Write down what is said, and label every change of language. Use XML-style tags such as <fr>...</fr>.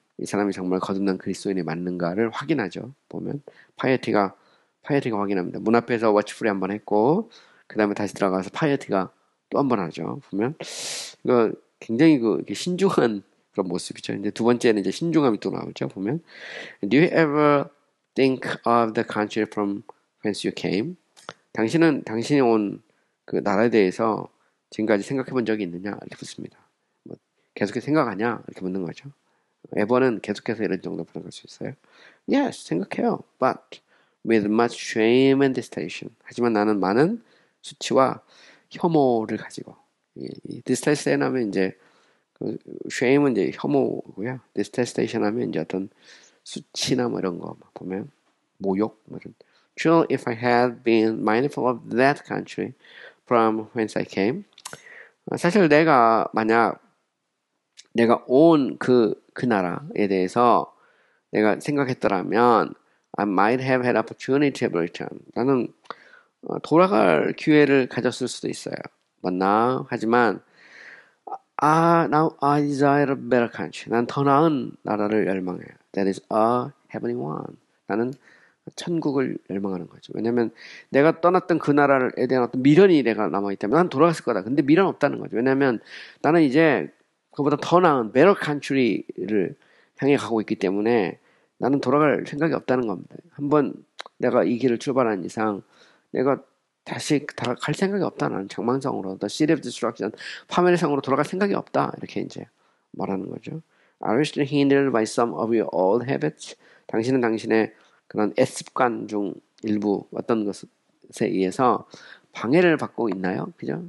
<ko>이 사람이 정말 거듭난 그리스도인이 맞는가를 확인하죠. 보면 파이어티가 확인합니다. 문 앞에서 워치풀이 한번 했고 그다음에 다시 들어가서 파이어티가 또 한번 하죠. 보면 이거 굉장히 그 신중한 그런 모습이죠. 이제 두 번째는 이제 신중함이 또 나오죠.</ko> <en>보면 Do you ever think of the country from whence you came?</en> <ko>당신이 온그 나라에 대해서 지금까지 생각해 본 적이 있느냐? 이렇게 묻습니다. 뭐 계속해서 생각하냐? 이렇게 묻는 거죠. 에버는 계속해서 이런 정도 부탁할 수 있어요.</ko> <en>Yes,</en> <ko>생각해요.</ko> <en>But with much shame and distaction.</en> <ko>하지만 나는 많은 수치와 혐오를 가지고. Distaction 하면 이제 그 shame은 이제 혐오고요. Distaction 하면 이제 어떤 수치나 뭐 이런 거 보면 모욕 뭐 이런.</ko> <en>True, if I had been mindful of that country from whence I came.</en> <ko>사실 내가 만약 내가 온 그 나라에 대해서 내가 생각했더라면,</ko> <en>I might have had opportunity to return.</en> <ko>나는 돌아갈 기회를 가졌을 수도 있어요.</ko> <en>But now,</en> <ko>하지만,</ko> <en>now I desire a better country.</en> <ko>난더 나은 나라를 열망해요.</ko> <en>That is a heavenly one.</en> <ko>나는 천국을 열망하는 거죠. 왜냐면 내가 떠났던 그 나라에 대한 어떤 미련이 내가 남아있다면 난 돌아갔을 거다. 근데 미련 없다는 거죠. 왜냐면 나는 이제 그보다 더 나은</ko> <en>better country</en> <ko>를 향해 가고 있기 때문에 나는 돌아갈 생각이 없다는 겁니다. 한번 내가 이 길을 출발한 이상 내가 다시 갈 생각이 없다. 나는 장망성으로,</ko> <en>the city of destruction,</en> <ko>파멸성으로 돌아갈 생각이 없다. 이렇게 이제 말하는 거죠.</ko> <en>Are you still hindered by some of your old habits?</en> <ko>당신은 당신의 그런 습관 중 일부 어떤 것에 의해서 방해를 받고 있나요? 그죠?</ko>